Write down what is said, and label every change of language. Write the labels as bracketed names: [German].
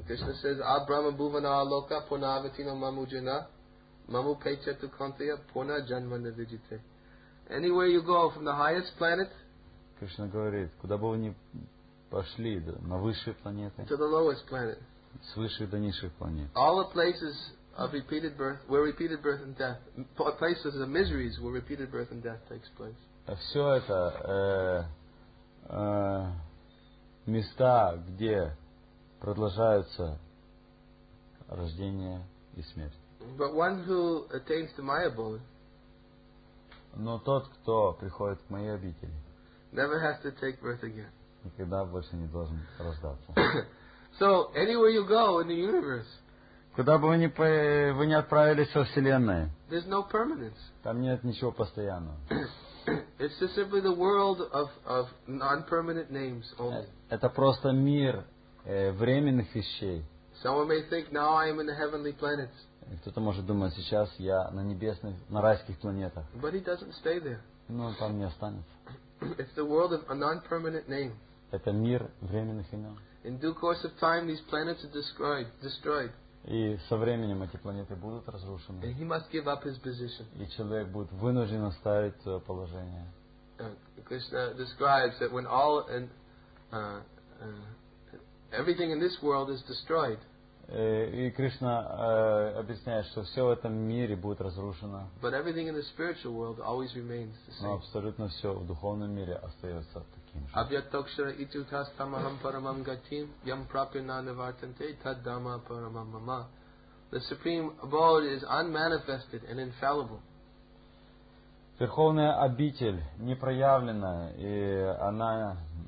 [Sanskrit] Кришна [English] says, [Sanskrit] Абрама бувана алока пунавитина маму джина маму пейча тукантия пуна джанма навиджите. [English] Anywhere you go from the highest planet. [Russian] Кришна говорит, куда бы вы ни пошли, на высшие планеты. [English] To the lowest planet. [Russian] С высших до низших планет. [English] All the places of repeated birth, where repeated birth and death, places of miseries where repeated birth and death takes place. [Russian] Все это места, где продолжаются рождение и смерть. [English] But one who attains to my abode. [Russian] Но тот, кто приходит к моей обители, [English] never has to take birth again. [Russian] Никогда больше не должен рождаться. [English] So anywhere you go in the universe. [Russian] Куда бы вы ни отправились во Вселенной, [English] there's no permanence. [Russian] Там нет ничего постоянного. [English] It's just simply the world of non-permanent names only. [Russian] Это просто мир временных вещей. [English] Someone may think, now I am in the heavenly planets. [Russian] Кто-то может думать, сейчас я на небесных, на райских планетах. [English] But he doesn't stay there. [Russian] Но он там не останется. [English] It's the world of a non-permanent name. [Russian] Это мир временных имен. [English] In due course of time, these planets are destroyed. [Russian] И со временем эти планеты будут разрушены. [English] And he must give up his position. [Russian] И человек будет вынужден оставить свое положение. [English] Кришна describes that when all and everything in this world is destroyed. [Russian] И Кришна объясняет, что все в этом мире будет разрушено. [English] But everything in the spiritual world always remains the same. [Russian] Но абсолютно все в духовном мире остается таким же. [Sanskrit] Абьяттокшара итютастамахам парамам гатим ям прапина навартанте таддама парамам мама. [English] The supreme abode is unmanifested and infallible. [Russian] Верховная обитель не проявлена, и она